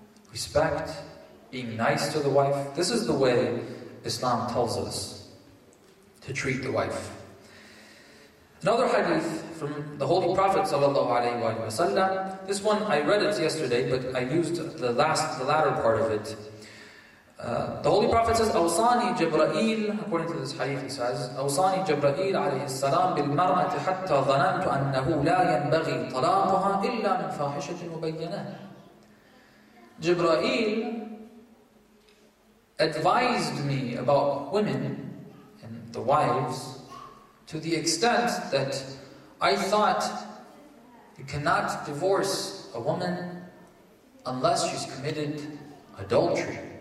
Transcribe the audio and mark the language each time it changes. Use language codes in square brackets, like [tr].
[en] Respect, being nice to the wife. This is the way Islam tells us to treat the wife. Another hadith from the Holy Prophet ﷺ. This one, I read it yesterday, but I used the latter part of it. The Holy Prophet says, [ar] أَوْصَانِي جَبْرَئِيلِ, [en] according to this hadith, he says, [ar] أَوْصَانِي جَبْرَئِيلِ عَلَيْهِ السَّلَامِ بِالْمَرْأَةِ حَتَّى ظَنَنْتُ أَنَّهُ لَا يَنْبَغِي طَلَاقُهَا إِلَّا مِنْ فَاحِشَةٍ مُبَيَّنَةٍ. [en] Jibra'il advised me about women and the wives to the extent that I thought you cannot divorce a woman unless she's committed adultery.